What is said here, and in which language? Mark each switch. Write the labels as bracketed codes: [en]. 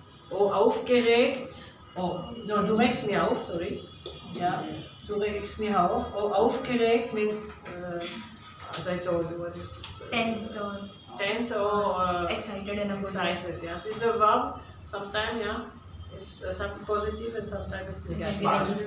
[de] Oh, aufgeregt, oh, no, du regst mich auf, sorry. Ja, yeah. Du regst mich auf. [en] Oh, aufgeregt means, as I told you, what is this? Tensed or... Tensed or... excited and excited, yeah. This is a verb. [de] Sometimes, ja, yeah, ist positiv und sometimes ist negativ.